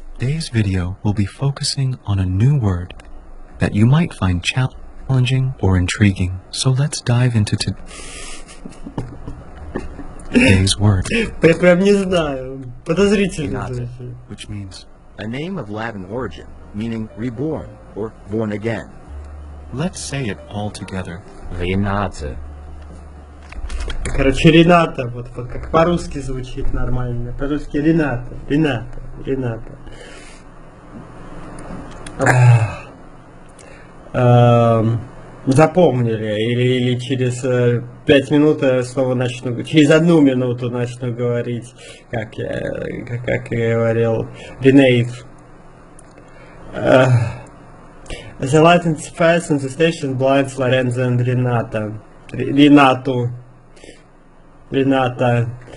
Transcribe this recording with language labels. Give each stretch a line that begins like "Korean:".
English: Today's video will be focusing on a new word that you might find challenging or intriguing. So let's dive into today's word.
Russian: Я прям не знаю. Подозрительно.
English: Which means a name of Latin origin, meaning reborn or born again. Let's say it all together.
Russian: Рената. Короче, Рената, вот как по-русски звучит нормально. По-русски Рената, Рената, Рената. Запомнили, или через 5 минут я снова начну, через 1 минуту начну говорить, как я говорил, Renate.
English: The Latin's first in the station blinds Lorenzo and Renata. Renata.